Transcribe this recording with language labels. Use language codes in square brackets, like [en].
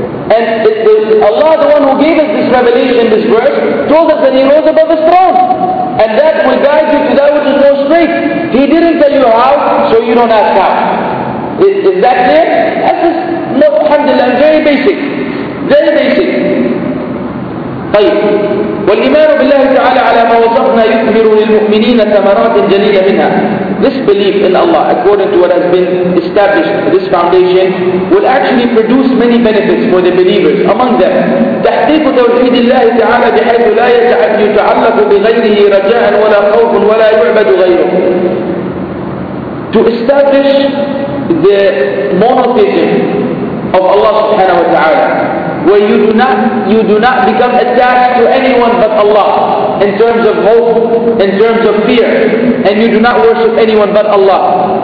[en] And Allah, the one who gave us this revelation, this verse, told us that He rose above His throne. And that will guide you to that which is more straight. He didn't tell you how, so you don't ask how. Is that clear? That's just, no, alhamdulillah, very basic. Very basic. [ar] طيب. والإيمان بالله تعالى على ما وصفنا يثمر للمؤمنين ثمرات جليلة منها. [en] This belief in Allah, according to what has been established, this foundation, will actually produce many benefits for the believers. Among them, [ar] تحقيق توحيد الله تعالى بحيث لا يتعلق بغيره رجاء ولا خوف ولا يعبد غيره. [en] To establish the monotheism of Allah subhanahu wa ta'ala, where you do not become attached to anyone but Allah in terms of hope, in terms of fear, and you do not worship anyone but Allah.